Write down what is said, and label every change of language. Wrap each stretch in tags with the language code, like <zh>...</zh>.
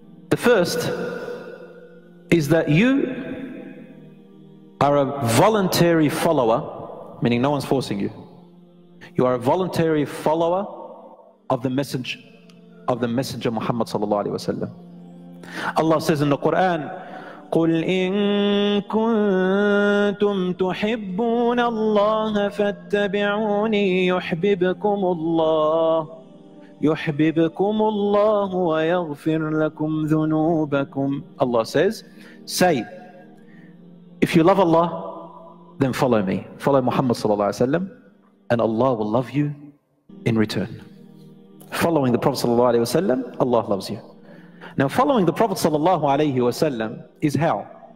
<en>The first is that you are a voluntary follower, meaning no one's forcing you. You are a voluntary follower of the Messenger Muhammad</en> <ar>sallallahu alaihi wasallam.</ar> <en>Allah says in the Quran,</en> <ar>قل إن كنتم تحبون الله فاتبعوني يحببكم الله يحببكم الله ويغفر لكم ذنوبكم.</ar> <en>Allah says, say, if you love Allah, then follow me. Follow Muhammad</en> <ar>صلى الله عليه وسلم,</ar> <en>and Allah will love you in return. Following the Prophet</en> <ar>صلى الله عليه وسلم,</ar> <en>Allah loves you. Now, following the Prophet</en> <ar>sallallahu alayhi wa sallam</ar> <en>is how?</en>